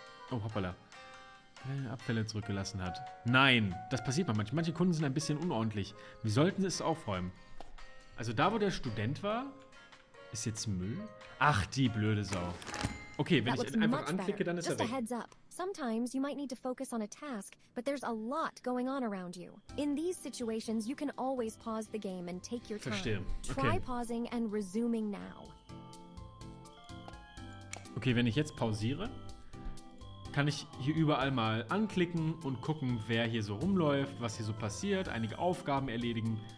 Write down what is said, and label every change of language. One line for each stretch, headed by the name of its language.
German: Oh, hoppala. Abfälle zurückgelassen hat. Nein, das passiert mal manchmal. Manche Kunden sind ein bisschen unordentlich. Wir sollten es aufräumen. Also da, wo der Student war... Ist jetzt Müll? Ach, die blöde Sau. Okay, wenn ich einfach anklicke, dann ist er weg.
English: Heads up. Sometimes you might need to focus on a task, but there's a lot going on around you. In these situations, you can always pause the game and take your
German: Verstehe.
English: Time. Okay. Try pausing and resuming now.
German: Okay, wenn ich jetzt pausiere, kann ich hier überall mal anklicken und gucken, wer hier so rumläuft, was hier so passiert, einige Aufgaben erledigen.